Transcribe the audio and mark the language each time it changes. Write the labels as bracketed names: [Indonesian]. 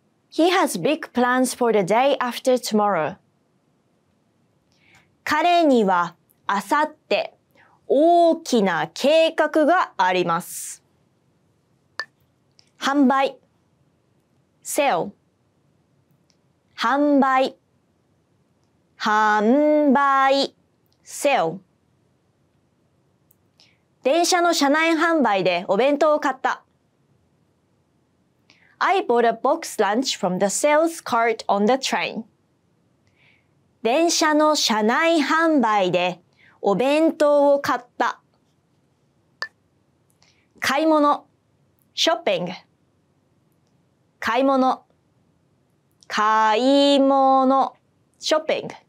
[English] He has big plans for the day after tomorrow. [Japanese] 彼にはあさって大きな計画があります。販売 Sell 販売販売 Sell 電車の車内販売でお弁当を買った。 [English] I bought a box lunch from the sales cart on the train. [Japanese] 電車の車内販売でお弁当を買った。買い物 [English] shopping [Japanese] 買い物買い物 [English] shopping